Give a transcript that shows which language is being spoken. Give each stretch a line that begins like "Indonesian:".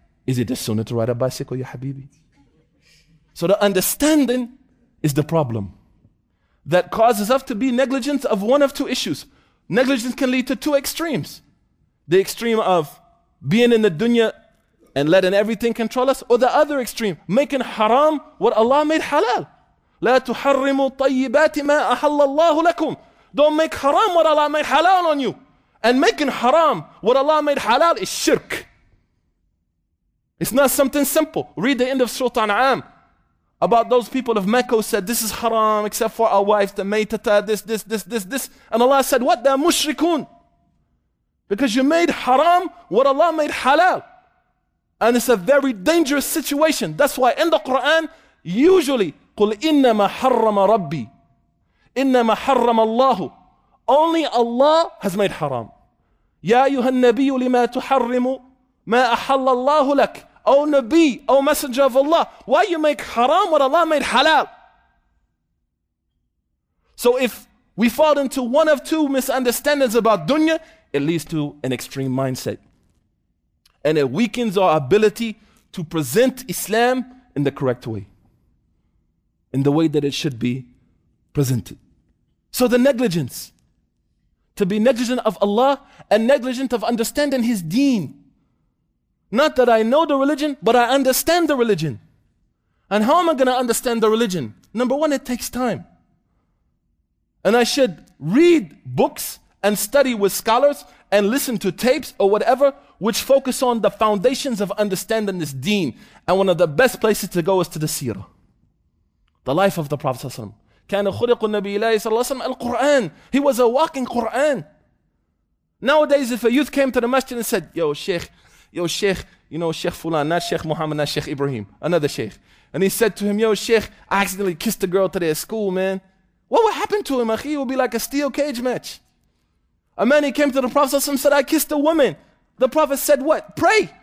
English: Is it the sunnah to ride a bicycle,
Arabic: ya habibi?
English: So the understanding is the problem that causes us to be negligent of one of two issues. Negligence can lead to two extremes. The extreme of being in the dunya and letting everything control us, or the other extreme, making haram what Allah made halal.
Arabic: لا تحرموا طيبات ما أحل الله لكم.
English: Don't make haram what Allah made halal on you. And making haram what Allah made halal is shirk. It's not something simple. Read the end of Surah An'am about those people of Mecca who said, this is haram except for our wives, the maitata, this. And Allah said, what? They're mushrikun. Because you made haram what Allah made halal. And it's a very dangerous situation. That's why in the Quran, usually,
Arabic: قُلْ إِنَّمَا حَرَّمَ رَبِّي إِنَّمَا حَرَّمَ اللَّهُ.
English: Only Allah has made haram.
Arabic: يَا أَيُّهَا النَّبِيُّ لِمَا تُحَرِّمُ مَا أَحَلَّ اللَّهُ لَكَ.
English: O Nabi, O Messenger of Allah, why you make haram what Allah made halal? So if we fall into one of two misunderstandings about dunya, it leads to an extreme mindset. And it weakens our ability to present Islam in the correct way, in the way that it should be presented. So the negligence, to be negligent of Allah and negligent of understanding His deen. Not that I know the religion, but I understand the religion. And how am I going to understand the religion? Number one, it takes time. And I should read books and study with scholars and listen to tapes or whatever, which focus on the foundations of understanding this deen. And one of the best places to go is to the seerah, the life of the Prophet ﷺ.
Arabic: كان خلق النبي الله صلى الله عليه وسلم القرآن.
English: He was a walking Quran. Nowadays, if a youth came to the masjid and said, yo, Sheikh, you know, Sheikh Fulan, not Sheikh Muhammad, not Sheikh Ibrahim, another Sheikh. And he said to him, yo, Sheikh, I accidentally kissed a girl today at school, man. What would happen to him, akhi? It would be like a steel cage match. A man, he came to the Prophet ﷺ and said, I kissed a woman. The Prophet said what? Pray.